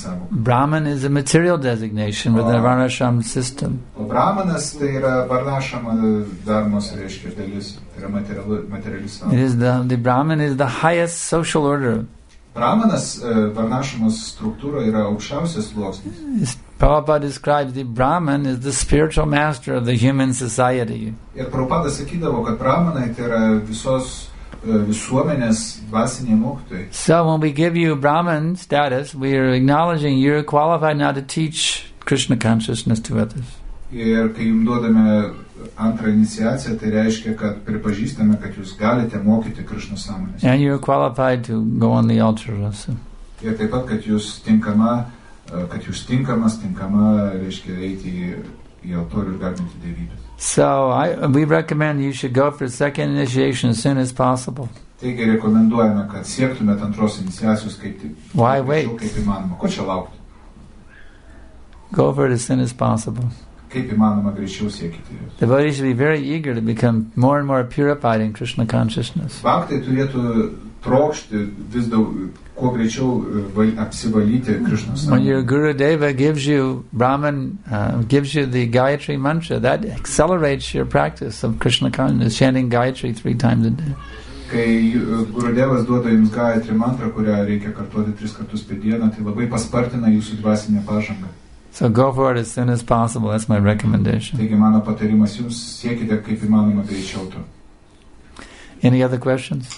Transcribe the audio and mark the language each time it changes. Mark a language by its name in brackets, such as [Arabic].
[English] Brahman is a material designation within a Varnashram system. It is the Brahman is the highest social order. [Lithuanian] Brahmanas Varnashramos struktūra yra aukščiausias sluoksnis. [English] Prabhupada describes the Brahman as the spiritual master of the human society. [Lithuanian] Ir Prabhupada sakydavo, kad Brahmanai tai yra visos visuomenės dvasiniai mokytojai. [English] So when we give you Brahman status, we are acknowledging you are qualified now to teach Krishna consciousness to others. [Lithuanian] Ir kai jums duodame antrą iniciaciją, tai reiškia, kad pripažįstame, kad jūs galite mokyti Krishna sąmonės. [English] And you are qualified to go on the altar also. [Lithuanian] Ir taip pat, kad jūs tinkama, reiškia, eiti į altorių ir garbinti dievybės. [English] So we recommend you should go for second initiation as soon as possible. [Lithuanian] Taigi rekomenduojame, kad siektumėt antros iniciacijos kaip tik. [English] Why wait? [Lithuanian] Kaip įmanoma, ko čia laukti? [English] Go for it as soon as possible. [Lithuanian] Kaip įmanoma greičiau siekti jūs. [English] The devotee should be very eager to become more and more purified in Krishna consciousness. [Lithuanian] Vaktai turėtų trokšti vis daug, kuo greičiau apsivalyti Krishna sąmonę. [English] When your Gurudeva gives you Brahman, gives you the Gayatri mantra, that accelerates your practice of Krishna consciousness, chanting Gayatri 3 times a day. [Lithuanian] kai Gurudevas duoda jums Gayatri mantrą, kurią reikia kartuoti tris kartus per dieną, tai labai paspartina jūsų dvasinę pažangą. [English] So go for it as soon as possible, that's my recommendation. [Lithuanian] Taigi mano patarimas jums, siekite kaip įmanoma greičiau to. [English] Any other questions?